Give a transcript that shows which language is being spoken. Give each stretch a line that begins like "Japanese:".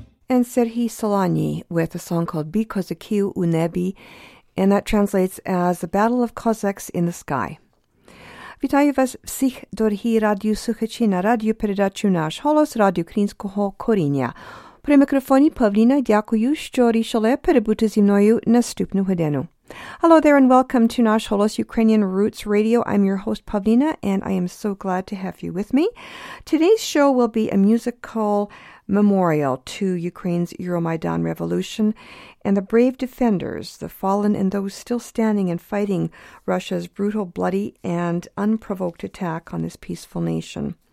English: And Serhii Solani with a song called Bi Kozaki U Nebi, and that translates as The Battle of Cossacks in the Sky.
Ukrainian: Вітаю вас всіх, дорогі радіослухачі, на радіопередачу «Наш голос» Радіо Українського коріння. При мікрофоні Павліна, дякую, що рішили перебути зі мною наступну годину.
English: Hello there and welcome to Nash Holos Ukrainian Roots Radio. I'm your host Pavlina and I am so glad to have you with me. Today's show will be a musical memorial to Ukraine's Euromaidan Revolution and the brave defenders, the fallen and those still standing and fighting Russia's brutal, bloody and unprovoked attack on this peaceful nation.